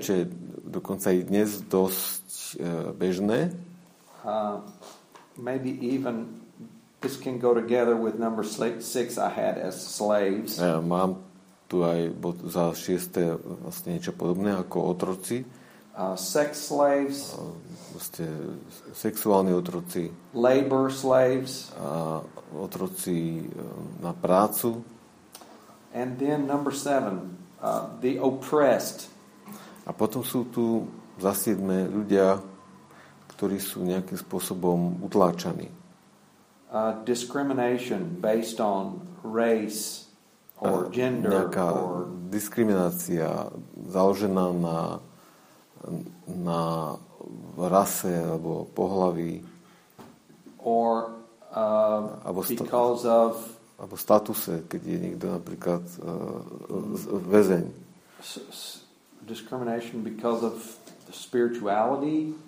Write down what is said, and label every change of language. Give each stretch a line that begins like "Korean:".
Slovak: Čo je dokonca i dnes dosť bežné.
English: Maybe even this can go together with number 6 I had as slaves.
Slovak: Mám tu aj za šieste vlastne niečo podobné ako otroci.
English: Sex slaves.
Slovak: Vlastne sexuálni otroci.
English: Labor slaves.
Slovak: Otroci na prácu.
English: And then number 7, the oppressed.
Slovak: A potom sú tu za 7 ľudia, ktorí sú nejakým spôsobom utláčaní.
English: Discrimination based on race or gender.
Slovak: Nejaká diskriminácia založená na rase alebo pohlaví.
English: Or because of
Slovak: alebo statuse, keď je niekto napríklad väzeň.
English: Discrimination because of spirituality.